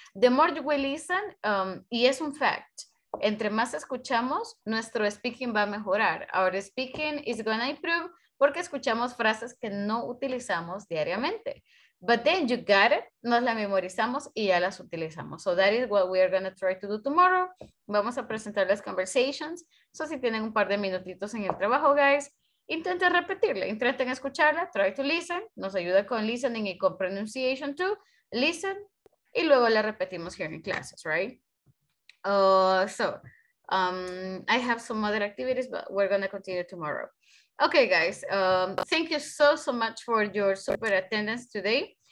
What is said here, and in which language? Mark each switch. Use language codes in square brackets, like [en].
[en] The more we listen, [es] y es un fact, entre más escuchamos, nuestro speaking va a mejorar. [en] Our speaking is going to improve [es] porque escuchamos frases que no utilizamos diariamente. [en] But then you got it, [es] nos la memorizamos y ya las utilizamos. [en] So that is what we are going to try to do tomorrow. [es] Vamos a presentar las conversations. So si tienen un par de minutitos en el trabajo, guys, intenten repetirla, intenten escucharla, [en] try to listen, [es] nos ayuda con listening y con pronunciation too, listen, y luego la repetimos [en] here in classes, [es] right? [en] I have some other activities, but we're going to continue tomorrow. Okay, guys, thank you so much for your super attendance today.